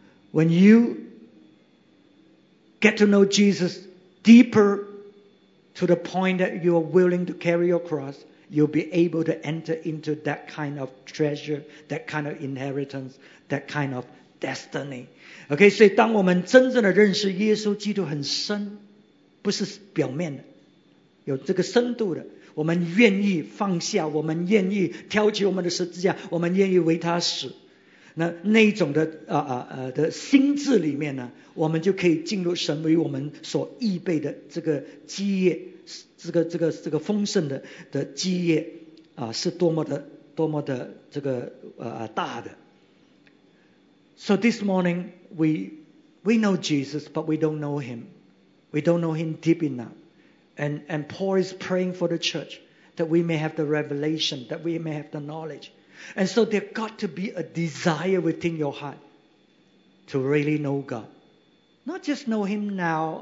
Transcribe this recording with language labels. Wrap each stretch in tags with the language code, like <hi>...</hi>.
<en>When you get to know Jesus deeper to the point that you are willing to carry your cross, you'll be able to enter into that kind of treasure, that kind of inheritance, that kind of destiny.</en> <zh>Okay, 所以当我们真正的认识耶稣基督很深，不是表面的，有这个深度的，我们愿意放下，我们愿意挑起我们的十字架，我们愿意为他死。那一种的心智里面呢，我们就可以进入神为我们所预备的这个基业，这个丰盛的基业啊，是多么的这个大的。</zh> <en>So this morning we know Jesus, but we don't know him. We don't know him deep enough. And Paul is praying for the church that we may have the revelation, that we may have the knowledge. And so there got to be a desire within your heart to really know God, not just know him now.</en>